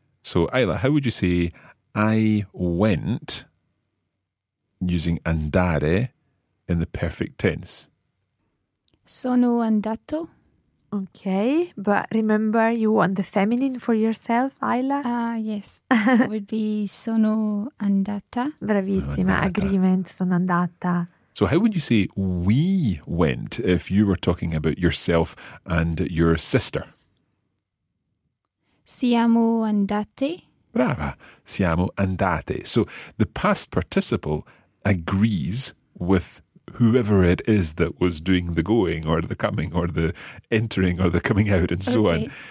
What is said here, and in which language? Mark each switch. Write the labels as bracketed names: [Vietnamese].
[English] So, Ayla, how would you say, I went, using andare in the perfect tense? [Italian] Sono andato. [English] Okay, but remember you want the feminine for yourself, Ayla? Yes. So it would be [Italian] sono andata. Bravissima, sono andata. Agreement, sono andata. [English] So how would you say we went if you were talking about yourself and your sister? [Italian] Siamo andate. Brava, siamo andate. [English] So the past participle agrees with whoever it is that was doing the going or the coming or the entering or the coming out and so okay. on.